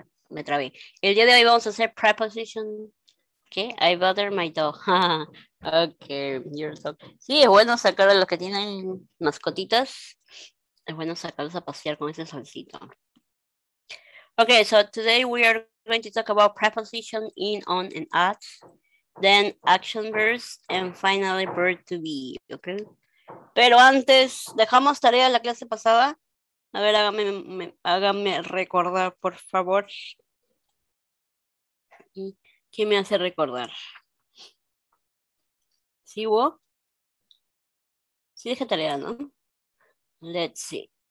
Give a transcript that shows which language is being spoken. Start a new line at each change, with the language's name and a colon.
Spanish: El día de hoy vamos a hacer preposition.
English: Okay, I bother my dog. Okay, you're so...
Spanish: Sí, es bueno sacar a los que tienen mascotitas. Es bueno sacarlos a pasear con ese solcito.
English: Okay, so today we are going to talk about preposition in, on, and at, then action verbs, and finally verb to be. Okay.
Spanish: Pero antes, ¿dejamos tarea de la clase pasada? A ver, hágame recordar, por favor. ¿Qué me hace recordar? ¿Sí, Wo? Sí, dejé tarea, ¿no?
English: Let's see.